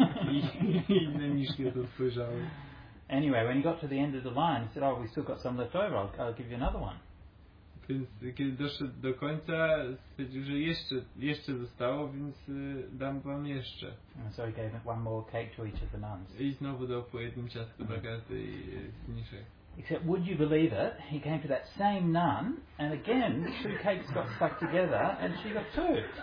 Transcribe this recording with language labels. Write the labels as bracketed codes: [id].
[pl] I inne mniszki to spojrzały. [en] Anyway, when he got to the end of the line, he said, oh, we still got some left over, I'll give you another one. [pl] Więc kiedy doszedł do końca, stwierdził, że jeszcze zostało, więc dam wam jeszcze. [en] And so he gave one more cake to each of the nuns. [pl] I znowu dał po jednym ciastku do każdej z mniszek. [en] Except, would you believe it, he came to that same nun, and again, two cakes got stuck together, and she got two.